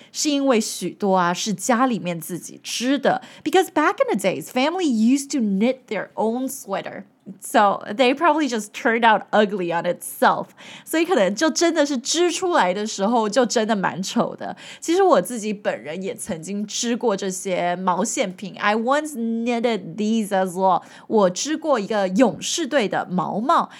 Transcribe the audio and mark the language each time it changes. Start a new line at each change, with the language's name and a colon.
Chinese: 是因为许多啊是家里面自己织的。
English: Because back in the days, family used to knit their own sweater. So they probably just turned out ugly on itself.
Chinese: 所以可能就真的是织出来的时候就真的蛮丑的。其实我自己本人也曾经织过这些毛线品。
English: I once knitted these as well.
Chinese: 我织过一个勇士队的毛帽。